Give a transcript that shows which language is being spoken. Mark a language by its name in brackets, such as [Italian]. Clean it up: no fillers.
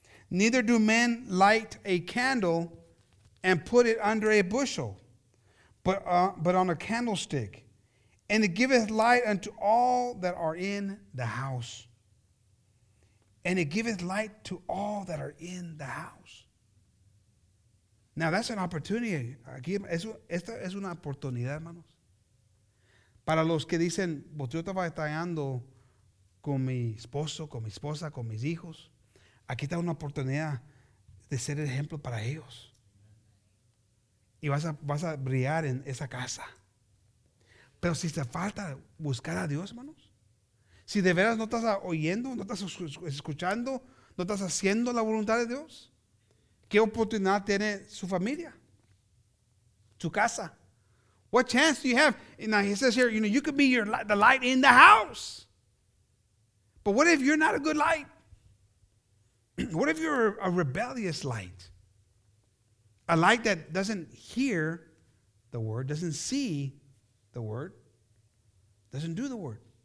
[English] Neither do men light a candle and put it under a bushel, but on a candlestick. And it giveth light unto all that are in the house. And it giveth light to all that are in the house. Now that's an opportunity. [Spanish] Aquí, esta es una oportunidad, hermanos. Para los que dicen, yo estaba batallando con mi esposo, con mi esposa, con mis hijos. Aquí está una oportunidad de ser el ejemplo para ellos. y vas a brillar en esa casa. Pero si te falta buscar a Dios, hermanos, si de veras no estás oyendo, no estás escuchando, no estás haciendo la voluntad de Dios, ¿qué oportunidad tiene su familia? Su casa. [English] What chance do you have? Now he says here, you know, you could be the light in the house. But what if you're not a good light? What if you're a rebellious light? A light that doesn't hear the word, doesn't see the word, doesn't do the word.